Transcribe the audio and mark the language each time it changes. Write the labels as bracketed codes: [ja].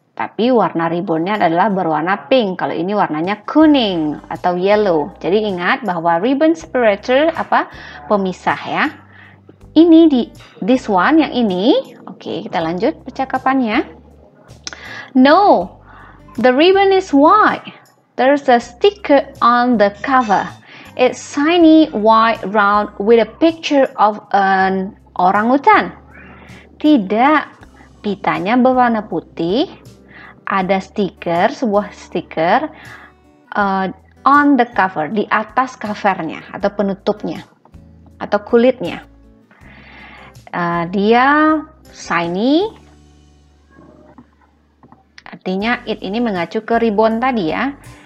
[id] Tapi warna ribbonnya adalah berwarna pink. Kalau ini warnanya kuning atau yellow. Jadi ingat bahwa ribbon separator apa? Pemisah ya. Ini di [en] this one [id] yang ini. Oke, kita lanjut percakapannya. [en] No. The ribbon is white. There's a sticker on the cover. It's shiny white round with a picture of an orangutan. [id] Tidak, pitanya berwarna putih. Ada stiker, sebuah stiker [en] on the cover, [id] di atas covernya atau penutupnya atau kulitnya. Dia shiny, artinya it ini mengacu ke ribbon tadi ya.